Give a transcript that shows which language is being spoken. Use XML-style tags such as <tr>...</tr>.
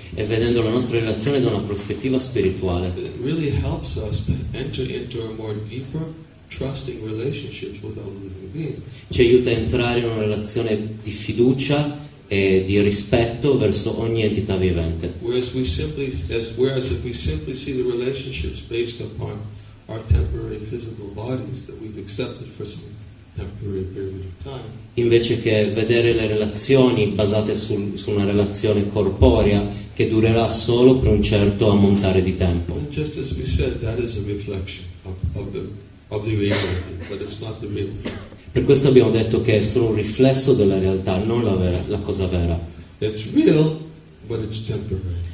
<it>E vedendo la nostra relazione da una prospettiva spirituale.</it> <en>It really helps us to enter into a more deeper trusting relationships with other living beings.</en> <it>Ci aiuta a entrare in una relazione di fiducia e di rispetto verso ogni entità vivente.</it> <en>Whereas if we simply see the relationships based upon our temporary physical bodies that we've accepted for some temporary period of time.</en> <it>Invece che vedere le relazioni basate su una relazione corporea che durerà solo per un certo ammontare di tempo.</it> <en>And just as we said, that is a reflection of the reality, but it's not the real thing.</en> <it>Per questo abbiamo detto che è solo un riflesso della realtà, non la cosa vera.</it> <en>It's real, but it's temporary.</en>